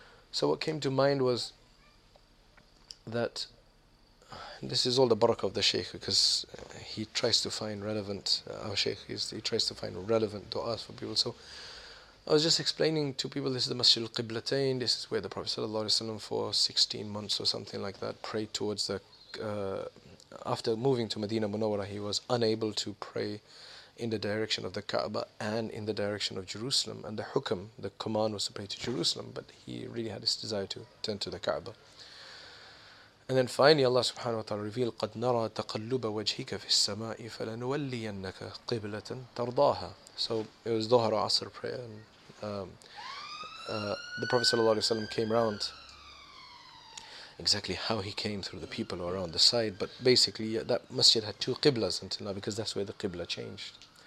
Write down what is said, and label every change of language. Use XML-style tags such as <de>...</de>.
<en>So what came to mind was that, this is all the barakah of the Shaykh, because he tries to find relevant, our Shaykh, he tries to find relevant du'as for people. So I was just explaining to people, this is the Masjid al-Qiblatain, this is where the Prophet sallallahu alaihi wasallam for 16 months or something like that prayed towards the... After moving to Medina Munawwara, he was unable to pray in the direction of the Kaaba and in the direction of Jerusalem. And the hukam, the command, was to pray to Jerusalem, but he really had this desire to turn to the Kaaba. And then finally, Allah subhanahu wa ta'ala revealed,</en> <ar>قَدْ نَرَى تَقَلُّبَ وَجْهِكَ فِي السَّمَاءِ فَلَنُوَلِّيَنَّكَ قِبْلَةً تَرْضَاهَا.</ar> <en>So it was Dhuhr Asr prayer, and the Prophet sallallahu alaihi wasallam came around. Exactly how he came through the people or around the side, but basically that masjid had two qiblas until now, because that's where the qibla changed.</en>